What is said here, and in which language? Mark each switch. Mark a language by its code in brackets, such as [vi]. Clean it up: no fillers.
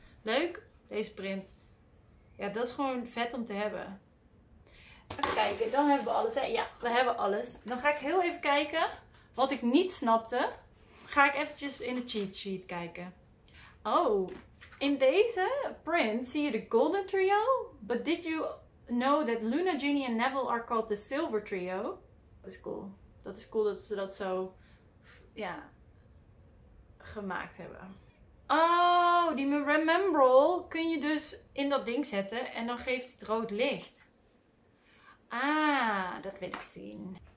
[nl] Leuk, deze print. Ja, dat is gewoon vet om te hebben. Even kijken, dan hebben we alles. Hè? Ja, we hebben alles. Dan ga ik heel even kijken. Wat ik niet snapte, ga ik eventjes in de cheat sheet kijken. Oh, in deze print zie je de Golden Trio. [en] But did you know that Luna, Ginny [nl] en [en] Neville are called the Silver Trio? [nl] Dat is cool. Dat is cool dat ze dat zo, ja, gemaakt hebben. Oh, die Remembrall kun je dus in dat ding zetten en dan geeft het rood licht. Ah, dat wil ik zien.